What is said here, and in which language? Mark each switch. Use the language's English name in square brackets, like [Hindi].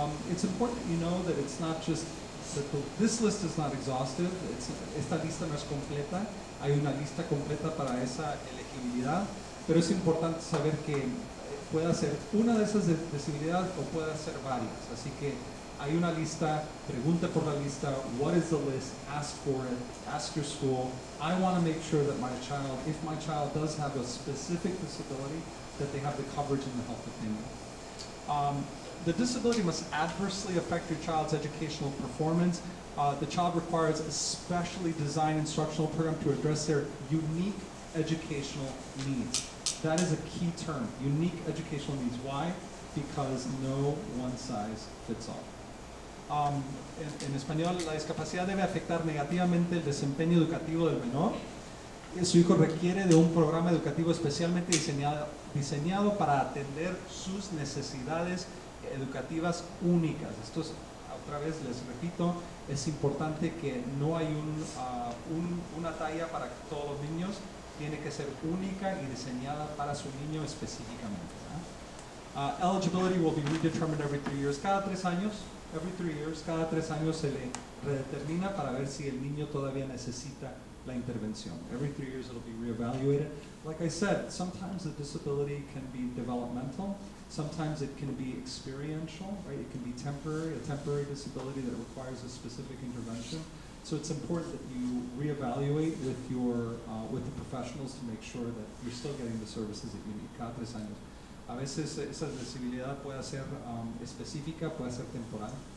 [English] It's important that you know that it's not just that this list is not exhaustive. [Spanish] Esta lista no es completa. Hay una lista completa para esa elegibilidad. Pero es importante saber que puede ser una de esas disabilidades o puede ser varias. Así que hay una lista. Pregunte por la lista. [English] What is the list? Ask for it. Ask your school. I want to make sure that my child, if my child does have a specific disability, that they have the coverage and the help that they need. The disability must adversely affect your child's educational performance. The child requires a specially designed instructional program to address their unique educational needs. That is a key term, unique educational needs. Why? Because no one size fits all. [Spanish] En español, la discapacidad debe afectar negativamente el desempeño educativo del menor. Su hijo requiere de un programa educativo especialmente diseñado para atender sus necesidades educativas únicas. Esto es, otra vez les repito, es importante que no hay una talla para todos los niños. Tiene que ser única y diseñada para su niño específicamente. [English] Eligibility will be redetermined every 3 years. [Spanish] Cada 3 años, [English] every 3 years, [Spanish] cada 3 años se le redetermina para ver si el niño todavía necesita la intervención. [English] Every 3 years it'll be reevaluated. Like I said, sometimes the disability can be developmental. Sometimes it can be experiential, right? It can be temporary, a temporary disability that requires a specific intervention. So it's important that you reevaluate with your with the professionals to make sure that you're still getting the services that you need. [Spanish] Cada 3 años. A veces esa disabilidad puede ser específica, puede ser temporal.